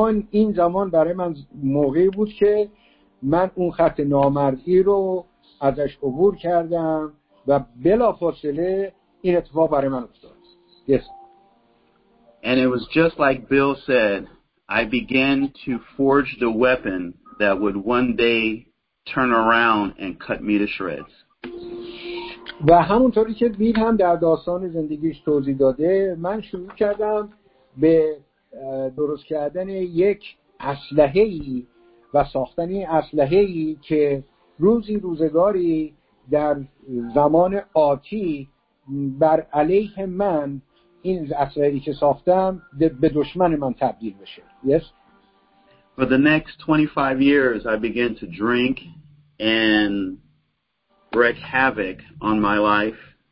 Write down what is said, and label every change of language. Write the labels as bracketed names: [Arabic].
[Persian] این زمان برای من موقعی بود که من اون خط نامرئی رو ازش عبور کردم و بلافاصله این اتفاق برای من افتاد. [English] Yes. And it was just like Bill said, I began to forge the weapon that would one day turn around and cut me to shreds. [Persian] و همونطوری که بیل هم در داستان زندگیش توضیح داده، من شروع کردم به درست کردن یک اسلحه‌ای و ساختن این اسلحه‌ای که روزی روزگاری در زمان آتی بر علیه من، این اسلحه‌ای که ساختم به دشمن من تبدیل بشه. [English] Yes. For the next 25 years I began to drink and wreak havoc on my life.